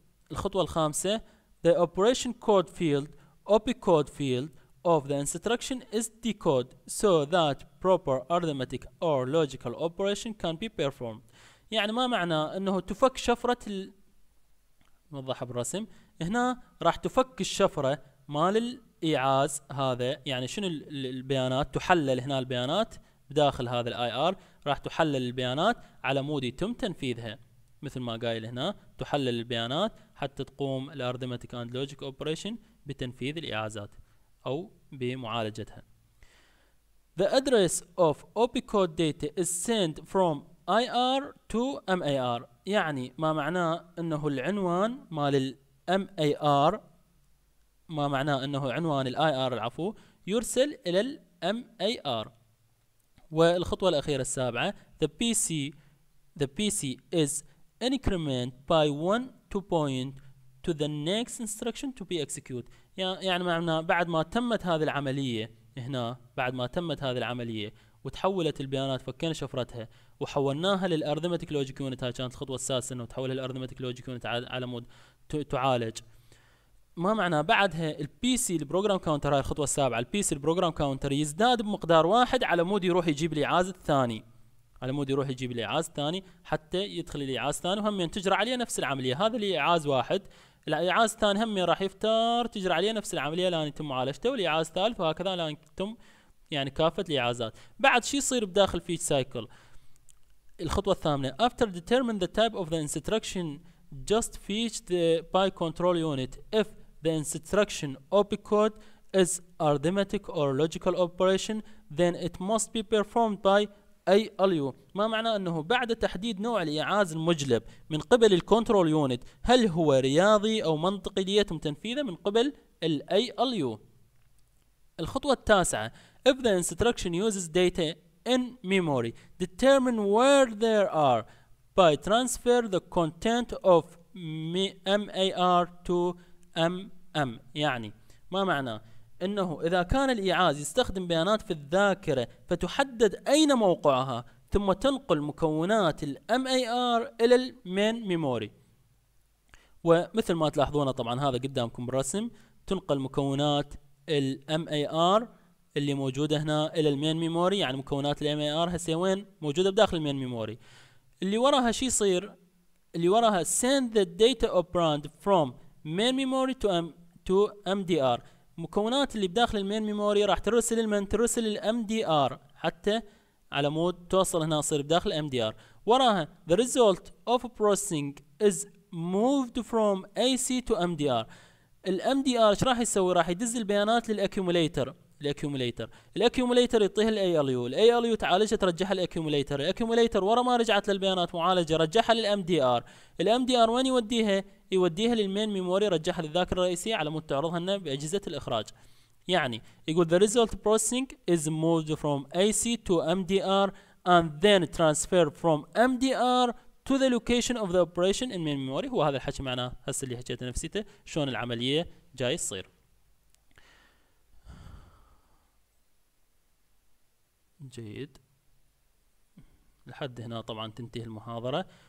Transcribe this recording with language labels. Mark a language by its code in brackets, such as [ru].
[ar] الخطوة الخامسة [en] The operation code field opcode field of the instruction is decoded so that proper arithmetic or logical operation can be performed. [ar] يعني ما معنى انه تفك شفرة نوضحها بالرسم، هنا راح تفك الشفرة مال الإيعاز هذا، يعني شنو البيانات تحلل هنا، البيانات بداخل هذا الاي ار راح تحلل البيانات على مود يتم تنفيذها، مثل ما قايل هنا تحلل البيانات حتى تقوم الارثمتيك اند لوجيك اوبريشن بتنفيذ الإيعازات او بمعالجتها. [en] The address of opcode data is sent from IR to MAR. [ar] يعني ما معناه انه العنوان مال الـ MAR، ما معناه انه عنوان الـ IR العفو يرسل الى الـ MAR. والخطوة الأخيرة السابعة [en] the PC is increment by 1 to point to the next instruction to be executed. [ar] يعني معناه بعد ما تمت هذه العملية هنا، بعد ما تمت هذه العملية وتحولت البيانات فكينا شفرتها وحولناها للأرثمتيك لوجيك يونت، هاي كانت الخطوة السادسة انه تحولها للأرثمتيك لوجيك يونت على مود تعالج. ما معنى بعدها PC البروغرام كاونتر، هاي الخطوة السابعة PC البروغرام كاونتر يزداد بمقدار واحد على مود يروح يجيب الإعاز الثاني، على مود يروح يجيب الإعاز الثاني حتى يدخل الإعاز الثاني وهم ينتجر عليه نفس العملية. هذا الإعاز واحد، الإعاز الثاني هم راح يفتر تجر عليه نفس العملية لان يتم معالجته، والإعاز الثالث وهكذا لان يتم يعني كافة الإعازات. بعد شي يصير بداخل فيتش سايكل، الخطوة الثامنة [en] After determine the type of the instruction just fetch the by control unit if the instruction opcode is arithmetic or logical operation then it must be performed by ALU. [ar] ما معنى انه بعد تحديد نوع الإعاز المجلب من قبل الكنترول يونت هل هو رياضي او منطقي ليتم تنفيذه من قبل الـ ALU. الخطوة التاسعة [en] If the instruction uses data in memory determine where there are by transfer the content of MAR to MM. [ar] يعني ما معنى انه اذا كان الاعاز يستخدم بيانات في الذاكرة فتحدد اين موقعها ثم تنقل مكونات الـ MAR الى الـ main memory. ومثل ما تلاحظون طبعا هذا قدامكم بالرسم، تنقل مكونات الـ MAR اللي موجودة هنا الى الـ main memory، يعني مكونات الـ MAR هسه وين موجودة بداخل الـ main memory. اللي وراها شي يصير، اللي وراها [en] send the data operand from main memory to MDR. [ar] مكونات اللي بداخل المين ميموري راح ترسل المين، ترسل الام دي ار حتى على مود توصل هنا تصير بداخل الام دي ار. وراها [en] the result of processing is moved from AC to MDR. [ar] الام دي ار ايش راح يسوي؟ راح يدز البيانات للاكيوميليتر، الاكيوميليتر يطيح الاي ال يو، الاي ال يو تعالجها ترجعها للاكيوميليتر، الاكيوميليتر ورا ما رجعت للبيانات معالجه رجعها للام دي ار، الام دي ار وين يوديها للمين ميموري، رجعها للذاكره الرئيسيه على مود تعرضها لنا باجهزه الاخراج. يعني يقول [en] the result processing is moved from AC to MDR and then transferred from MDR to the location of the operation in main memory. [ar] هو هذا الحكي معناه هسه اللي حكيته نفسيته شلون العمليه جاي تصير. جيد، لحد هنا طبعا تنتهي المحاضرة.